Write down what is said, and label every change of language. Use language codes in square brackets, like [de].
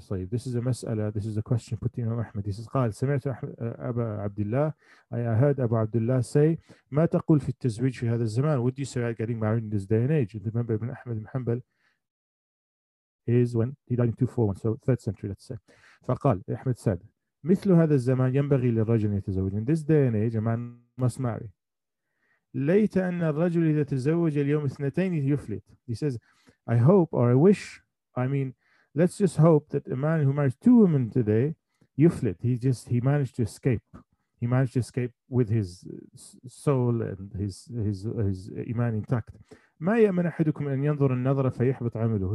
[en] So this is a mas'ala, this is a question put to Imam Ahmad. He says, [ar] قال سمعت أبا عبد الله, [en] I heard Abu Abdullah say, [ar] ما تقول في التزويج في هذا الزمان? [en] What do you say about getting married in this day and age? And remember, Ibn Ahmad ibn Hanbal is when he died in 241, so 3rd century, let's say. [ar] فقال, [en] Ahmad said, [ar] مثل هذا الزمان ينبغي للرجل يتزوج. [en] In this day and age, a man must marry. [ar] ليت أن الرجل إذا تزوج اليوم اثنتين يفلت. [en] He says, I hope or I wish, I mean, let's just hope that a man who marries two women today, [ar] يفلت. [en] He managed to escape. He managed to escape with his soul and his iman intact. [ar] ما يأمن أحدكم أن ينظر النظرة فيحبط عمله.